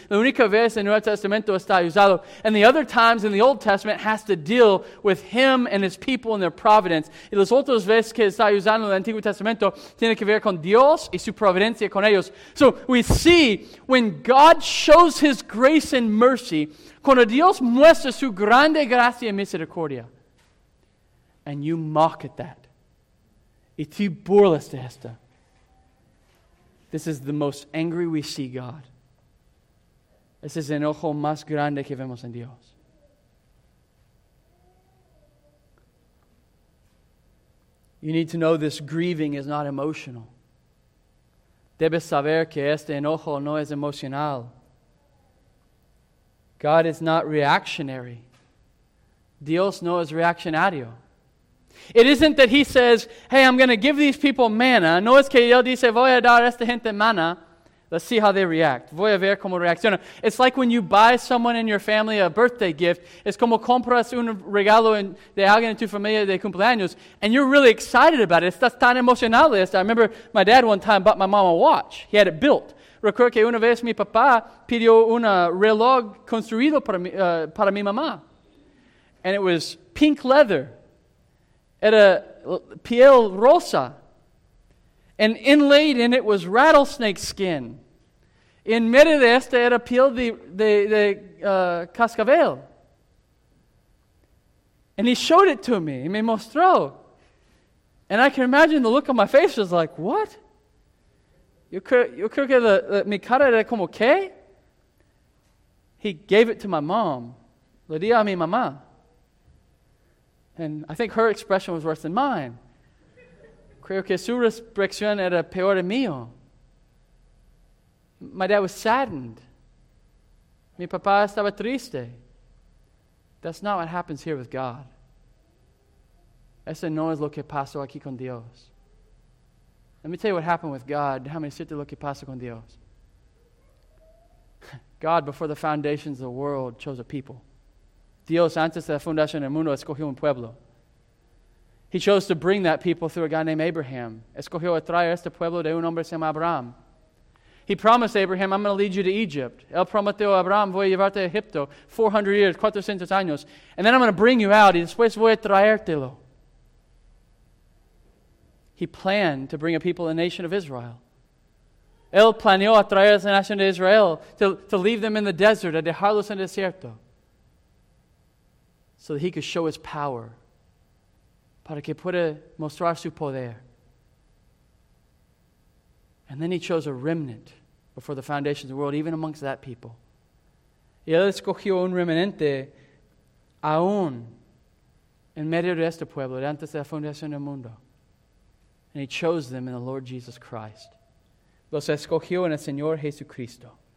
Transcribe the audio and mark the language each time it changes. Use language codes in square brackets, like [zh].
[es] La única vez en el Nuevo Testamento está usado. [en] And the other times in the Old Testament has to deal with Him and His people and their providence. [es] Y las otras veces que está usando el Antiguo Testamento tiene que ver con Dios y su providencia con ellos. [en] So, we see when God shows His grace and mercy, [es] cuando Dios muestra su grande gracia y misericordia, [en] and you mock at that, [es] y tú burlas de esta, [en] this is the most angry we see God. [es] Este es el enojo más grande que vemos en Dios. [en] You need to know this grieving is not emotional. [es] Debes saber que este enojo no es emocional. [en] God is not reactionary. [es] Dios no es reaccionario. [en] It isn't that he says, hey, I'm going to give these people manna. [es] No es que él dice, voy a dar a esta gente manna. [en] Let's see how they react. [es] Voy a ver cómo reacciona. [en] It's like when you buy someone in your family a birthday gift. [es] Es como compras un regalo de alguien en tu familia de cumpleaños. [en] And you're really excited about it. [es] Estás tan emocional. [en] I remember my dad one time bought my mom a watch. He had it built. [es] Recuerdo que una vez mi papá pidió un reloj construido para mi mamá. [en] And it was pink leather. [es] Era piel rosa. [en] And inlaid in it was rattlesnake skin. [es] En medio de este era piel de cascabel. [en] And he showed it to me. [es] Me mostró. [en] And I can imagine the look on my face was like, what? [es] Yo creo que mi cara era como, ¿qué? [en] He gave it to my mom. [es] Le di a mi mamá. [en] And I think her expression was worse than mine. [es] Creo que su reacción era peor de mío. [en] My dad was saddened. [es] Mi papá estaba triste. [en] That's not what happens here with God. [es] Ese no es lo que pasó aquí con Dios. [en] Let me tell you what happened with God. [es] Déjame decirte lo que pasó con Dios. [en] God, before the foundations of the world, chose a people. [es] Dios, antes de la fundación del mundo, escogió un pueblo. [en] He chose to bring that people through a guy named Abraham. [es] Escogió a traer este pueblo de un hombre que se llama Abraham. [en] He promised Abraham, I'm going to lead you to Egypt. [es] Él prometió a Abraham, voy a llevarte a Egipto. 400 years, 400 años. [en] And then I'm going to bring you out [es] y después voy a traértelo. [en] He planned to bring a people, a nation of Israel. [es] Él planeó a traer a la nación de Israel [en] to leave them in the desert, [es] a dejarlos en el desierto. [en] So that he could show his power. [es] Para que pueda mostrar su poder. [en] And then he chose a remnant before the foundations of the world, even amongst that people. [es] Y él escogió un remanente aún en medio de este pueblo, de antes de la fundación del mundo. [en] And he chose them in the Lord Jesus Christ. [es] Los escogió en el Señor Jesucristo.